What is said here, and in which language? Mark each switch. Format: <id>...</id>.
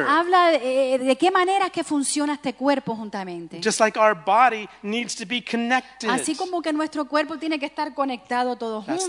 <es>Nos habla de qué manera que funciona este cuerpo juntamente.</es> <en>Just like our body needs to be connected.</en> <es>Así como que nuestro cuerpo tiene que estar conectado todos juntos.</es>